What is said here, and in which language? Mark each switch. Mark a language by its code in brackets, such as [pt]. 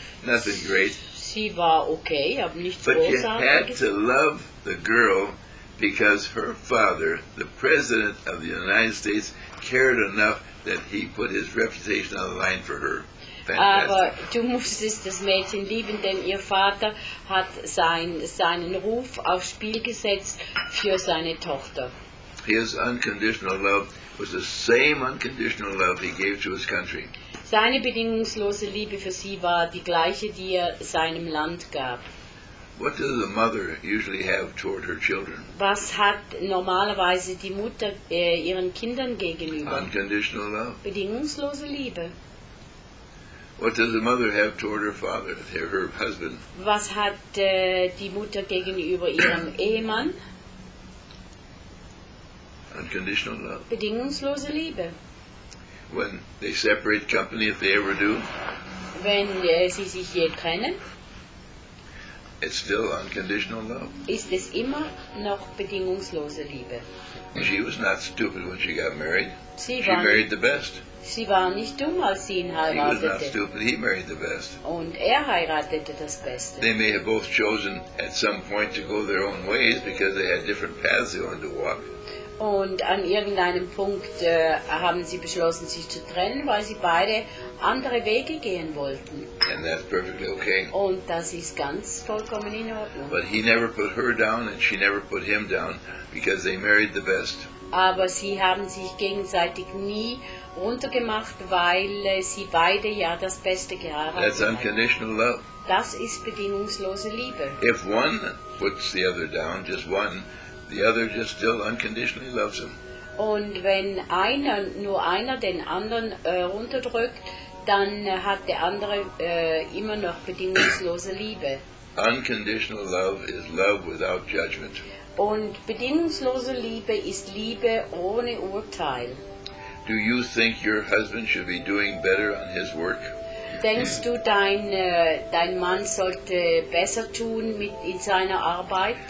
[en] Nothing great. [de] Sie war okay, aber nicht so großartig. [en] But you had to love the girl, because her father, the President of the United States, cared enough that he put his reputation on the line for her. Fantastic. [de] Aber du musstest das Mädchen lieben, denn ihr Vater hat seinen Ruf aufs Spiel gesetzt für seine Tochter. [en] His unconditional love was the same unconditional love he gave to his country. [de] Seine bedingungslose Liebe für sie war die gleiche, die er seinem Land gab. [en] What does a mother usually have toward her children? [de] Was hat normalerweise die Mutter ihren Kindern gegenüber? [en] Unconditional love. [de] Bedingungslose Liebe. [en] What does a mother have toward her father, her husband? [de] Was hat die Mutter gegenüber ihrem Ehemann? [en] Unconditional love. [de] Bedingungslose Liebe. [en] When they separate company, if they ever do. [de] Wenn sie sich je trennen. [en] It's still unconditional love. [de] Ist es immer noch bedingungslose Liebe? [en] She was not stupid when she got married. She married the best. [de] Sie war nicht dumm, als sie ihn heiratete. [en] He was not stupid. He married the best. [de] Und er heiratete das Beste. [en] They may have both chosen at some point to go their own ways because they had different paths they wanted to walk. [de] Und an irgendeinem Punkt haben sie beschlossen, sich zu trennen, weil sie beide andere Wege gehen wollten. [en] And that's perfectly okay. [de] Und das ist ganz vollkommen in Ordnung. [en] But he never put her down and she never put him down, because they married the best. [de] Aber sie haben sich gegenseitig nie runtergemacht, weil sie beide ja das Beste geheiratet haben. [en] That's unconditional love. [de] Das ist bedingungslose Liebe. [en] If one puts the other down, just one, the other just still unconditionally loves him. [de] Und wenn nur einer den anderen runterdrückt, dann hat der andere immer noch bedingungslose Liebe. [en] Unconditional love is love without judgment. [de] Und bedingungslose Liebe ist Liebe ohne Urteil. [en] Do you think your husband should be doing better on his work? [de] Denkst du, dein Mann sollte besser tun in seiner Arbeit?